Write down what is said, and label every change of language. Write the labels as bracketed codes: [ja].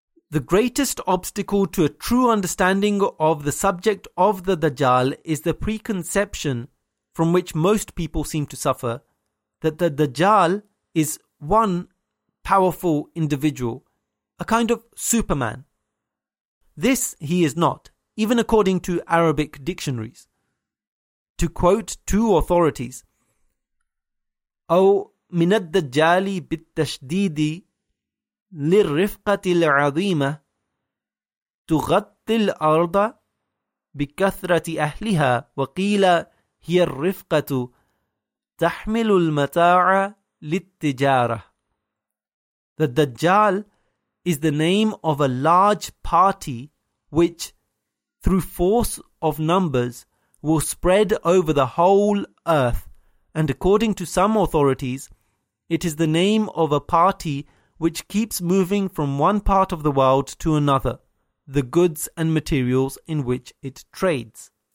[en] The greatest obstacle to a true understanding of the subject of the Dajjal is the preconception, from which most people seem to suffer, that the Dajjal is one powerful individual, a kind of superman. This he is not, even according to Arabic dictionaries. To quote two authorities, [ar] أو من الدجال بالتشديد للرفقة العظيمة تغطي الأرض بكثرة أهلها وقيل هي الرفقة تحمل المتاع للتجارة. [en] The Dajjal is the name of a large party which, through force of numbers, will spread over the whole earth. And according to some authorities, it is the name of a party which keeps moving from one part of the world to another, the goods and materials in which it trades.